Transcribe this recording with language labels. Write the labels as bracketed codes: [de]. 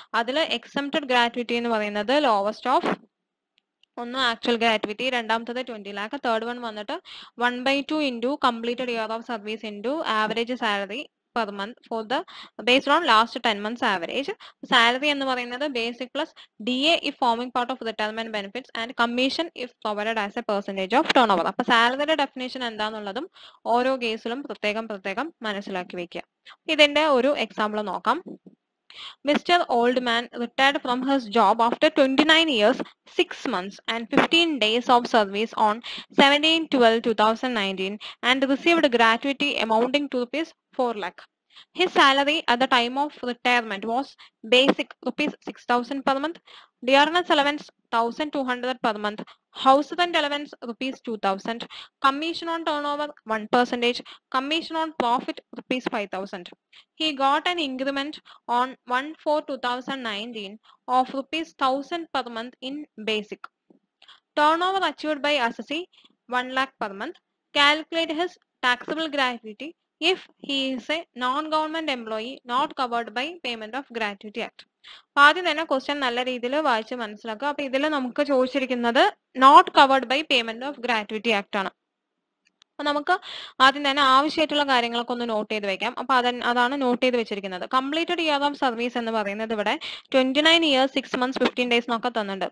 [en] അതിൽ exempted gratuity [ml] എന്ന് പറയുന്നത് [en] Lowest of ഒന്ന് actual gratuity, രണ്ടാമത്തത് 20 lakh, third one വന്നിട്ട് 1/2 into completed year of service into average salary per month for the based on last 10 months average. Salary [ml] എന്ന് പറയുന്നത് [en] Basic plus D A if forming part of retirement benefits and commission if provided as a percentage of turn over. [ml] അപ്പൊ സാലറിയുടെ definition എന്താന്നുള്ളതും ഓരോ കേസിലും പ്രത്യേകം പ്രത്യേകം മനസ്സിലാക്കി വെക്കുക. ഇതിന്റെ ഒരു എക്സാമ്പിൾ നോക്കാം. Mr. [en] Old Man retired from his job after 29 years, 6 months and 15 days of service on 17-12-2019 and received gratuity amounting to Rs. 4 lakh. His salary at the time of retirement was basic Rs. 6,000 per month, dearness allowance 1,200 per month, house rent allowance Rs. 2,000, commission on turnover 1%, commission on profit Rs. 5,000. He got an increment on 1-4-2019 of Rs. 1,000 per month in basic. Turnover achieved by assessee 1 lakh per month. Calculate his taxable gratuity if he is a non-government employee not covered by Payment of Gratuity Act. [ml] ആദ്യം തന്നെ question നല്ല രീതിയിൽ വായിച്ച് മനസ്സിലാക്കുക. അപ്പൊ ഇതിൽ നമുക്ക് ചോദിച്ചിരിക്കുന്നത് [en] not covered by payment of gratuity act [ml] ആണ്. അപ്പൊ നമുക്ക് ആദ്യം തന്നെ ആവശ്യമായിട്ടുള്ള കാര്യങ്ങളൊക്കെ ഒന്ന് നോട്ട് ചെയ്ത് വെക്കാം. അപ്പൊ അതാണ് നോട്ട് ചെയ്ത് വെച്ചിരിക്കുന്നത്. [en] completed year of service [ml] എന്ന് പറയുന്നത് ഇവിടെ [en] 29 years 6 months 15 days [ml] എന്നൊക്കെ തന്നിട്ടുണ്ട്.